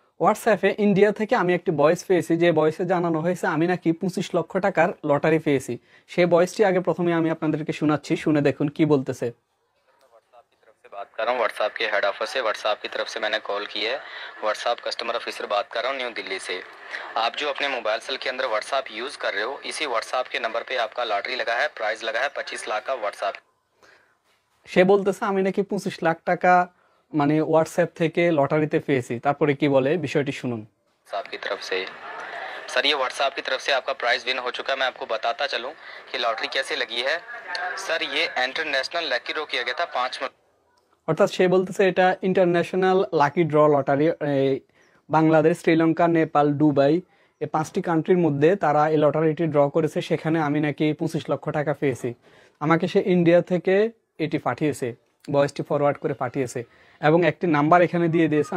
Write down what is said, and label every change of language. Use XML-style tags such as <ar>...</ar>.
<bn>হোয়াটসঅ্যাপে ইন্ডিয়া থেকে আমি একটি বয়েস পেয়েছি, যে বয়েসে জানানো হয়েছে আমি নাকি 25 লক্ষ টাকার লটারি পেয়েছি। সেই বয়েসটি আগে প্রথমে আমি আপনাদেরকে শোনাচ্ছি, শুনে দেখুন কি বলতেছে।</bn> <hi>बात कर रहा हूँ व्हाट्सएप के हेड ऑफिस से, व्हाट्सएप की तरफ से मैंने कॉल की है, व्हाट्सएप कस्टमर ऑफिसर बात कर रहा हूँ न्यू दिल्ली से। आप जो अपने मोबाइल सेल के अंदर व्हाट्सएप यूज़ कर रहे हो, इसी व्हाट्सएप के नंबर पे आपका लॉटरी लगा है, प्राइज लगा है 25 लाख का व्हाट्सएप।</hi> <bn>সে বলতেছে আমি নাকি 25 লাখ টাকা মানে হোয়াটসঅ্যাপ থেকে লটারিতে পেয়েছি, তারপরে কি বলে বিষয়টি শুনুন। আপনার তরফ থেকে স্যার,</bn> <hi>ये व्हाट्सएप की तरफ से आपका प्राइज विन हो चुका है। मैं आपको बताता चलूं कि लॉटरी कैसे लगी है। सर ये इंटरनेशनल लकी ड्रॉ किया गया था 5 मई,</hi> <bn>অর্থাৎ সে বলতেছে এটা international lucky draw lottery, Bangladesh, Sri Lanka, Nepal, Dubai, এই 5টি কান্ট্রির মধ্যে তারা এই লটারিটি ড্র করেছে, সেখানে আমি নাকি 25 লক্ষ টাকা পেয়েছি। আমাকে সে ইন্ডিয়া থেকে এটি পাঠিয়েছে, বয়েসটি ফরওয়ার্ড করে পাঠিয়েছে এবং একটি নাম্বার এখানে দিয়ে দিয়েছে।</bn>